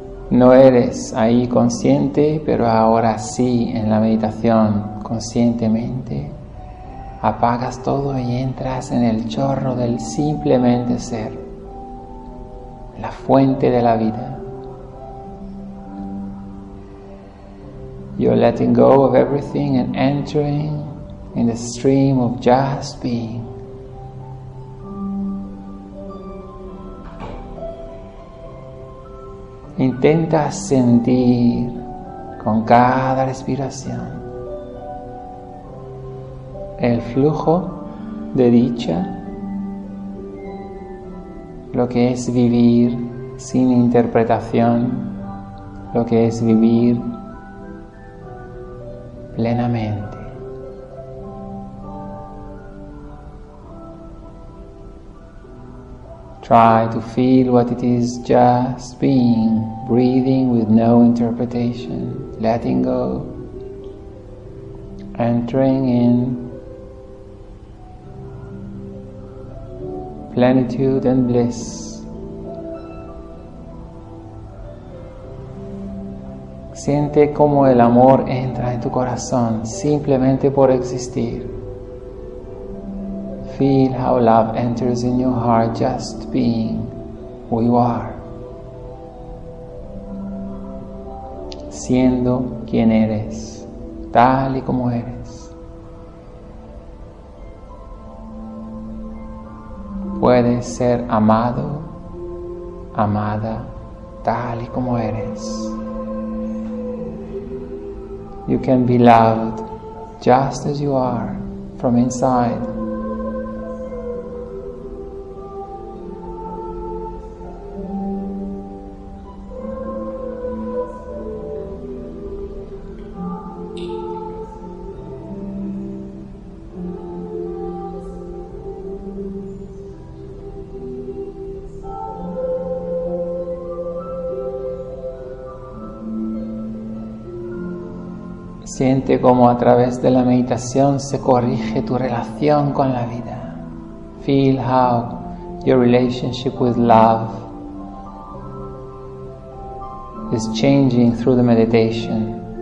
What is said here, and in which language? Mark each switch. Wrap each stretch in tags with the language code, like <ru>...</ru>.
<es>No eres ahí consciente, pero ahora sí en la meditación conscientemente. Apagas todo y entras en el chorro del simplemente ser, la fuente de la vida.</es> <en>You're letting go of everything and entering in the stream of just being.</en> <es>Intenta sentir con cada respiración el flujo de dicha, lo que es vivir sin interpretación, lo que es vivir plenamente.</es> <en>Try to feel what it is just being, breathing with no interpretation, letting go, entering in plenitude and bliss.</en> <es>Siente cómo el amor entra en tu corazón simplemente por existir.</es> <en>Feel how love enters in your heart just being who you are.</en> <es>Siendo quien eres, tal y como eres. Puedes ser amado, amada, tal y como eres.</es> <en>You can be loved just as you are from inside.</en> <es>Siente cómo a través de la meditación se corrige tu relación con la vida.</es> <en>Feel how your relationship with love is changing through the meditation.</en>